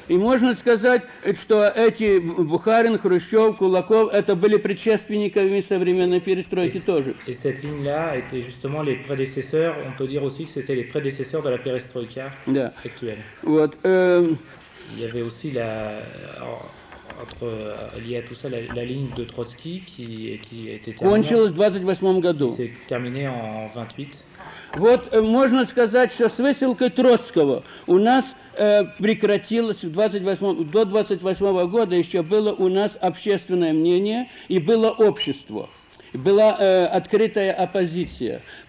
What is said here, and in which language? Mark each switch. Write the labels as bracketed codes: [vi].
[ru] И можно сказать, что эти Бухарин, Хрущев, Кулаков, это были предшественниками современной перестройки тоже. И эта линия была [fr] justement les prédécesseurs, on peut dire aussi que c'était les prédécesseurs de la перестройка actuelle. [ru] Вот. [fr] Il y avait aussi la entre liée à tout ça la ligne de Trotsky qui était [ru] кончилась в 28-м году. [fr] C'est terminé en 28. [ru] Вот можно сказать, что с высылкой Троцкого у нас прекратилось, до 28-го года еще было у нас общественное мнение и было общество, была открытая оппозиция.